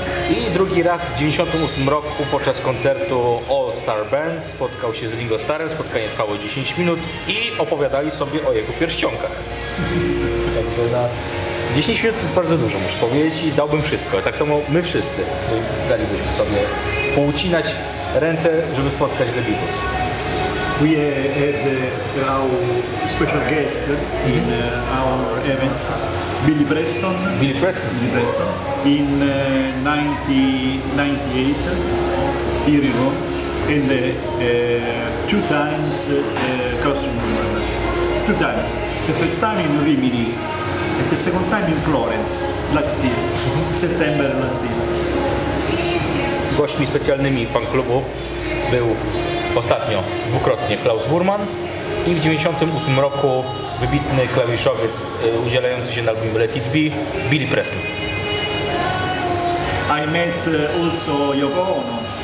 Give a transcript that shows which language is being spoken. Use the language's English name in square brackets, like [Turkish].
[Polish] I drugi raz w 98 roku podczas koncertu All Star Band spotkał się z Ringo Starrem. Spotkanie trwało 10 minut i opowiadali sobie o jego pierścionkach. Także na 10 minut to jest bardzo dużo, muszę powiedzieć, i dałbym wszystko. Tak samo my wszyscy dalibyśmy sobie poucinać ręce, żeby spotkać The Beatles. [English] We had our special guest in our events, Billy Preston. Billy Preston. Billy Preston. In 1998, here in Rome, and two times costume. Two times. The first time in Rimini, and the second time in Florence, last year, September last year. [Polish] Gośćmi specjalnymi fan klubu był ostatnio dwukrotnie Klaus Wurman i w 1998 roku wybitny klawiszowiec udzielający się na albumie Let It Be, Billy Preston. [English] I met also Yoko Ono.